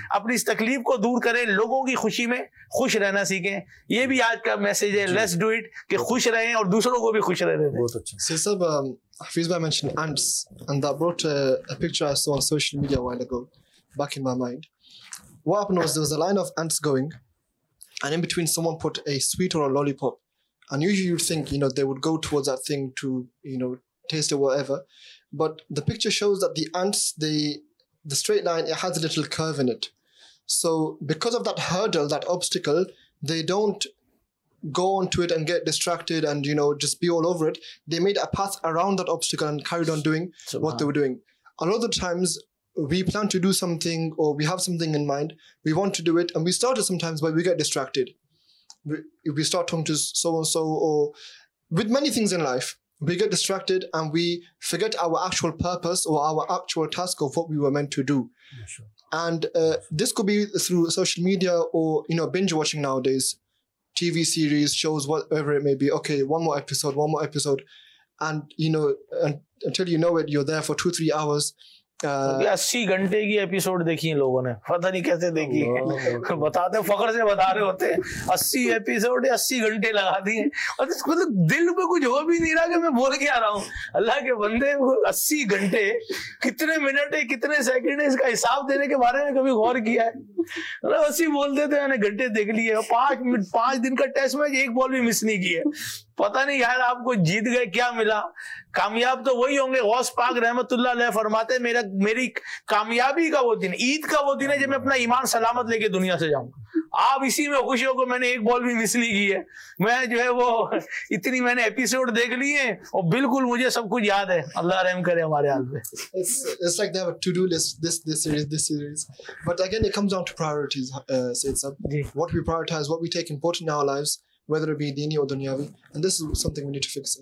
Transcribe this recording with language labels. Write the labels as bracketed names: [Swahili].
[Hindi] अपनी इस तकलीफ को दूर करें, लोगों की खुशी में खुश रहना सीखें। ये भी आज का मैसेज है, [English] let's do it, [Hindi] कि खुश रहें और दूसरों को भी खुश रहने दें। बहुत अच्छा सर। [English] हफीज भाई mention ants, and that brought a picture I saw on social media while ago back in my mind. What happened was, there was a line of ants going, and in between someone put a sweet or a lollipop, and usually you'd think, you know, they would go towards that thing to, you know, taste it, whatever. But the picture shows that the ants, the straight line, it has a little curve in it. So because of that hurdle, that obstacle, they don't go onto it and get distracted and, you know, just be all over it. They made a path around that obstacle and carried on doing what they were doing. A lot of the times, we plan to do something or we have something in mind, we want to do it, and we start it sometimes, but we get distracted. We start talking to so-and-so, or with many things in life, we get distracted and we forget our actual purpose or our actual task of what we were meant to do. And this could be through social media or, you know, binge watching nowadays, TV series, shows, whatever it may be. Okay, one more episode. And, you know, and until you know it, you're there for 2-3 hours. [Hindi] 80 घंटे की episode देखी है लोगों ने, पता नहीं कैसे देखी है। बताते फखर से बता रहे होते हैं, 80 एपिसोड 80 घंटे लगा दिए, और इसको तो दिल पे कुछ हो भी नहीं रहा कि मैं बोल के आ रहा हूँ। अल्लाह के बंदे, 80 घंटे कितने मिनट है, कितने सेकंड है, इसका हिसाब देने के बारे में कभी गौर किया है? मतलब 80 बोलते थे, मैंने घंटे देख लिए। 5 दिन का टेस्ट मैच, एक बॉल भी मिस नहीं की है। पता नहीं यार आपको जीत गए क्या मिला, कामयाब तो वही होंगे। गौस पाक रहमतुल्लाह अलैह फरमाते, मेरा मेरी कामयाबी का वो दिन, ईद का वो दिन है जब मैं अपना ईमान सलामत लेके दुनिया से जाऊंगा। आप इसी में खुशी होकर, मैंने एक बॉल भी मिस नहीं की है, मैं जो है वो इतनी मैंने एपिसोड देख ली है और बिल्कुल मुझे सब कुछ याद है। अल्लाह रहम करे हमारे हाल पे। [English] It's like they have a to-do list, this series. But again, it comes down to priorities, Sayyid Sahab. What we prioritize, what we take important in our lives, whether it be dini or dunyavi, and this is something we need to fix.